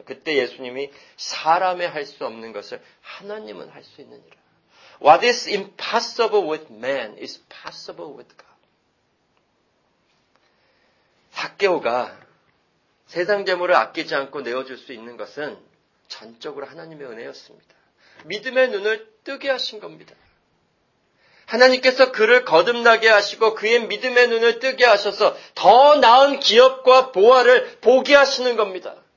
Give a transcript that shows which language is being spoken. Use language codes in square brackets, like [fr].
[ko] 그때 예수님이 사람의 할 수 없는 것을 하나님은 할 수 있느니라. [en] What is impossible with man is possible with God. [ko] 삭개오가 세상 재물을 아끼지 않고 내어줄 수 있는 것은 전적으로 하나님의 은혜였습니다. 믿음의 눈을 뜨게 하신 겁니다. 하나님께서 그를 거듭나게 하시고 그의 믿음의 눈을 뜨게 하셔서 더 나은 기업과 보화를 보게 하시는 겁니다.